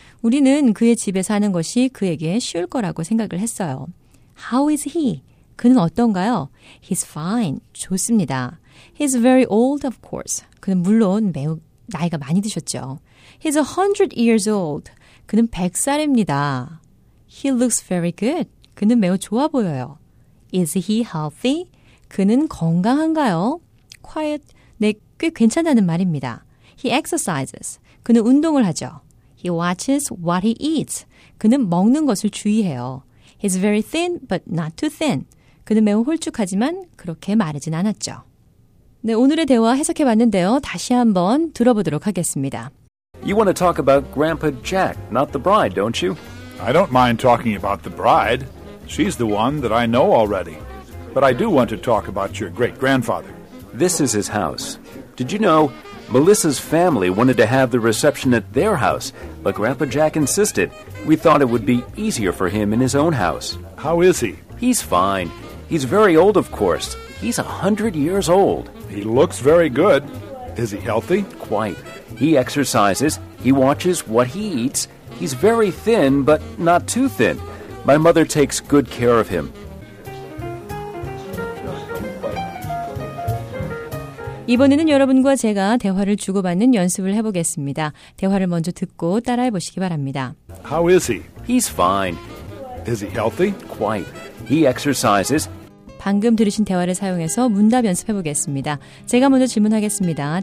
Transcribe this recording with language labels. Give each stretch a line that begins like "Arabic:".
Korean: 우리는 그의 집에 사는 것이 그에게 쉬울 거라고 생각을 했어요.
English: How is he?
Korean: 그는 어떤가요?
English: He's fine.
Korean: 좋습니다.
English: He's very old, of course.
Korean: 그는 물론 매우 나이가 많이 드셨죠.
English: He's 100 years old.
Korean: 그는 100살입니다.
English: He looks very good.
Korean: 그는 매우 좋아 보여요.
English: Is he healthy?
Korean: 그는 건강한가요?
English: Quiet.
Korean: 네, 꽤 괜찮다는 말입니다.
English: He exercises.
Korean: 그는 운동을 하죠.
English: He watches what he eats.
Korean: 그는 먹는 것을 주의해요.
English: He's very thin, but not too thin.
Korean: 그는 매우 홀쭉하지만 그렇게 마르진 않았죠. 네, 오늘의 대화 해석해봤는데요. 다시 한번 들어보도록 하겠습니다.
English: You want to talk about Grandpa Jack, not the bride, don't you? I don't mind talking about the bride. She's the one that I know already. But I do want to talk about your great-grandfather. This is his house. Did you know Melissa's family wanted to have the reception at their house, but Grandpa Jack insisted. We thought it would be easier for him in his own house. How is he? He's fine. He's very old, of course. He's 100 years old. He looks very good. Is he healthy? Quite. He exercises. He watches what he eats. He's very thin, but not too thin. My mother takes good care of him.
Korean: 이번에는 여러분과 제가 대화를 주고받는 연습을 해보겠습니다. 대화를 먼저 듣고 따라해 보시기 바랍니다.
English: How is he? He's fine. Is he healthy? Quite. He exercises.
Korean: 방금 들으신 대화를 사용해서 문답 연습해 보겠습니다. 제가 먼저 질문하겠습니다.